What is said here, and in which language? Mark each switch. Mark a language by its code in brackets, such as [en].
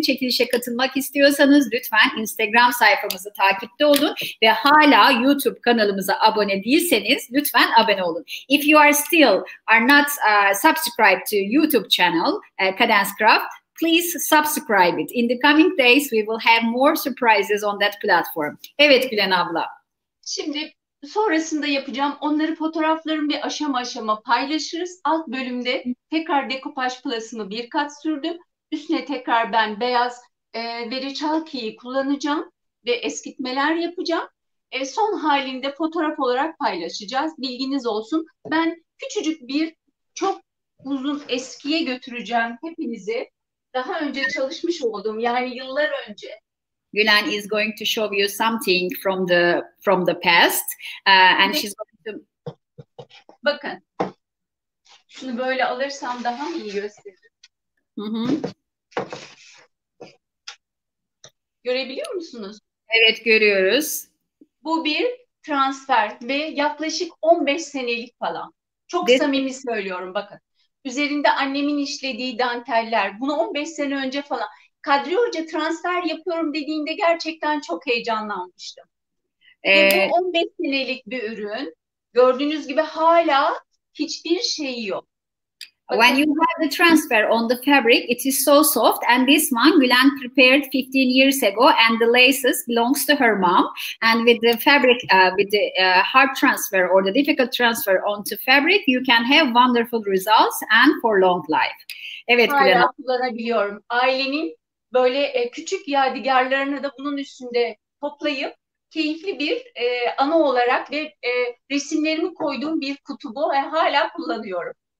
[tr] Çekilişe katılmak istiyorsanız lütfen Instagram sayfamızı takipte olun. Ve hala YouTube kanalımıza abone değilseniz lütfen abone olun. [en] If you are not subscribed to YouTube channel Cadence Craft, please subscribe it. In the coming days we will have more surprises on that platform. [tr] Evet Gülen abla. Şimdi sonrasında yapacağım. Onları fotoğrafların bir aşama aşama paylaşırız. Alt bölümde tekrar dekupaj plasımı bir kat sürdüm. Üstüne tekrar ben beyaz veriçalkıyı kullanacağım ve eskitmeler yapacağım. Son halinde fotoğraf olarak paylaşacağız. Bilginiz olsun. Ben küçücük bir çok uzun eskiye götüreceğim hepinizi. Daha önce çalışmış olduğum, yani yıllar önce. [en] Gülen is going to show you something from the past and she's going to... [tr] Bakın. Şunu böyle alırsam daha mı iyi gösterir? Görebiliyor musunuz? Evet görüyoruz. Bu bir transfer ve yaklaşık 15 senelik falan. Çok samimi söylüyorum bakın. Üzerinde annemin işlediği danteller. Bunu 15 sene önce falan. Kadri Hoca transfer yapıyorum dediğinde gerçekten çok heyecanlanmıştım. Bu 15 senelik bir ürün. Gördüğünüz gibi hala hiçbir şeyi yok. [en] When you have the transfer on the fabric, it is so soft. And this one, Gülen prepared 15 years ago, and the laces belongs to her mom. And with the fabric, with the hard transfer or the difficult transfer onto fabric, you can have wonderful results and for long life. [tr] Evet, hala Gülen. Kullanabiliyorum. Ailenin böyle küçük yadigarlarını da bunun üstünde toplayıp keyifli bir anı olarak ve resimlerimi koyduğum bir kutu bu ve hala kullanıyorum.